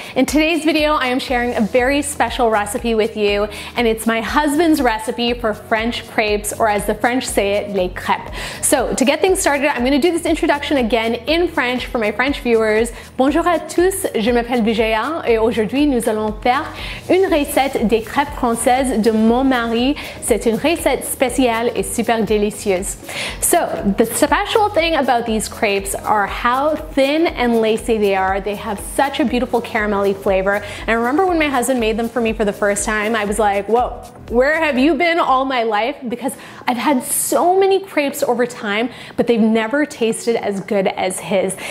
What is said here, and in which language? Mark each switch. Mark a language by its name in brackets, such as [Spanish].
[English] In today's video, I am sharing a very special recipe with you, and it's my husband's recipe for French crepes, or as the French say it, les crêpes. So to get things started, I'm gonna do this introduction again in French for my French viewers. [French] Bonjour à tous, je m'appelle Vijaya, et aujourd'hui nous allons faire une recette des crêpes françaises de mon mari. C'est une recette spéciale et super délicieuse. [English] So the special thing about these crepes are how thin and lacy they are. They have such a beautiful caramelly flavor. And I remember when my husband made them for me for the first time, I was like, whoa, where have you been all my life? Because I've had so many crepes over time, but they've never tasted as good as his.